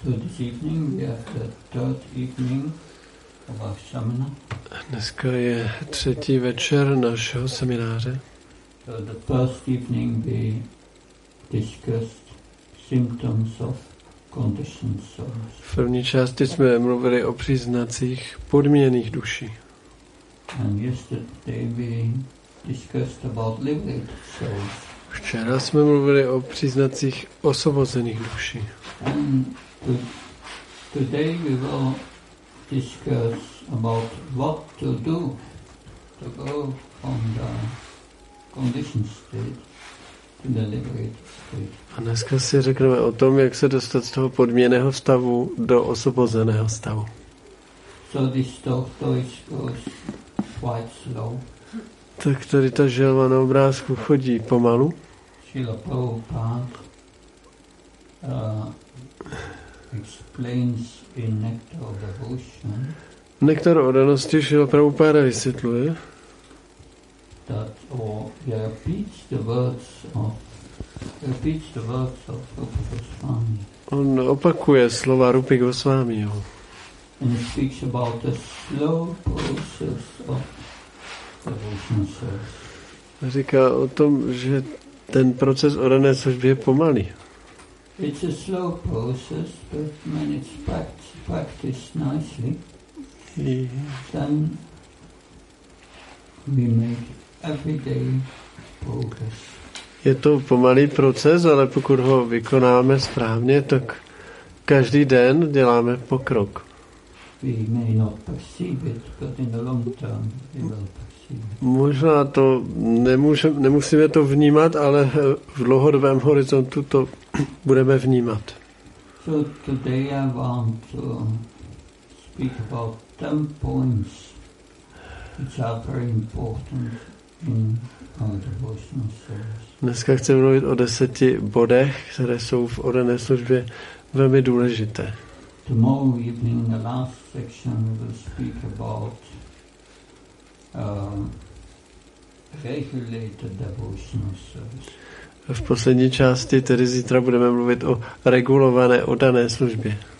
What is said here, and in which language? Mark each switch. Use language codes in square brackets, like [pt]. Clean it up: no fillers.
[en] So this evening we have the third evening of our seminar. [cs] Dneska je třetí večer našeho semináře. [en] So the first evening we discussed symptoms of conditioned souls. [cs] V první části jsme mluvili o příznacích podmíněných duší. [en] And yesterday we discussed about liberated souls. [cs] Včera jsme mluvili o příznacích osvobozených duší. [en] Today we will discuss about what to do to go from the conditioned state to the liberated state. [cs] A dneska si řekneme o tom, jak se dostat z toho podmíněného stavu do osvobozeného stavu. [en] So this talk goes quite slow. [cs] Tak tady ta želva na obrázku chodí pomalu. [en] Srila Prabhupada explains in Nectar of Devotion. [cs] Nektar odanosti Srila Prabhupada vysvětluje. [en] That or repeats the words of Rupa Goswami. [cs] On opakuje slova Rupy Goswamiho. [en] And he speaks about the slow process of devotion service. [cs] Říká o tom, že ten proces odané služby je pomalý. [en] It's a slow process, but when it's practiced nicely, then we make everyday progress. [cs] Je to pomalý proces, ale pokud ho vykonáme správně, tak každý den děláme pokrok. [en] We may not perceive it, but in the long term we will perceive it. [cs] Možná to nemusíme to vnímat, ale v dlouhodobém horizontu to budeme vnímat. [en] So today I want to speak about 10 points which are very important in our devotional service. [cs] Dneska chci mluvit o 10 bodech, které jsou v odané službě velmi důležité. [en] Tomorrow evening in the last section we will speak about regulated devotional service. [cs] V poslední části, tedy zítra, budeme mluvit o regulované oddané službě.